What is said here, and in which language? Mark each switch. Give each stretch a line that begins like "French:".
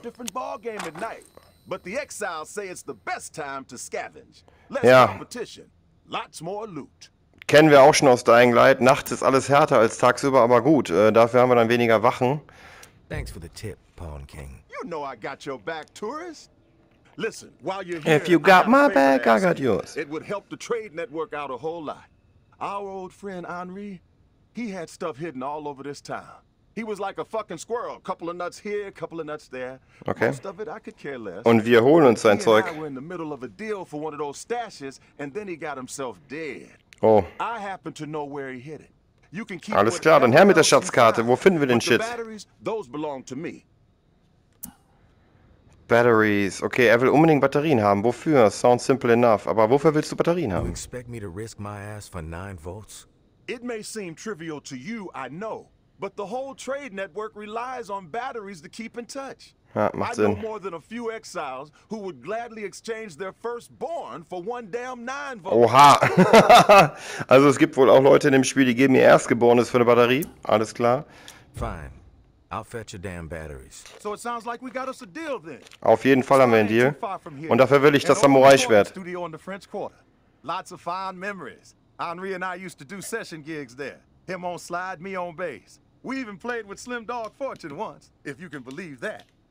English: Different ball game at night, but the exiles say it's the best time to scavenge. Less competition, lots more loot.
German: Kennen wir auch schon aus Dying Light. Nachts ist alles härter als tagsüber, aber gut. Dafür haben wir dann weniger Wachen.
English: Thanks for the tip, Pawn King. You know I got your back, tourist. Listen, while you're here, if you got my back, I got yours. It would help the trade network out a whole lot. Our old friend Henri, he had stuff hidden all over this town. He was like a fucking squirrel, couple of nuts here, couple of nuts there. Okay. Most of it I could care less.
German: Und wir holen uns sein Zeug.
English: He and I were in the middle of a deal for one of those stashes, and then he got himself dead. Oh. I happen to know where he hid it. You can keep.
German: Alles klar, dann her mit der Schatzkarte. Wo finden wir den Shit?
English: Those belong to me.
German: Batteries. Okay, er will unbedingt Batterien haben. Wofür?
English: Sounds simple enough.
German: Aber wofür willst du Batterien haben?
English: You expect me to risk my ass for 9 volts? It may seem trivial to you, I know. But the whole trade network relies on batteries to keep in touch.
German: Ja, macht Sinn.
English: I know more than a few exiles who would gladly exchange their firstborn for one damn 9 volts.
German: Oha. Also es gibt wohl auch Leute in dem Spiel, die geben ihr Erstgeborenes für eine Batterie. Alles klar.
English: Fine. I'll fetch your damn batteries. So it sounds like we got us a deal then.
German: Auf jeden Fall haben wir einen Deal. Und dafür will ich das Samurai-Schwert.
English: Studio in the French Quarter. Lots of fine memories. Henri and I used to do session gigs there. Him on slide, me on bass. We even played with Slim Dog Fortune once, if you can believe that.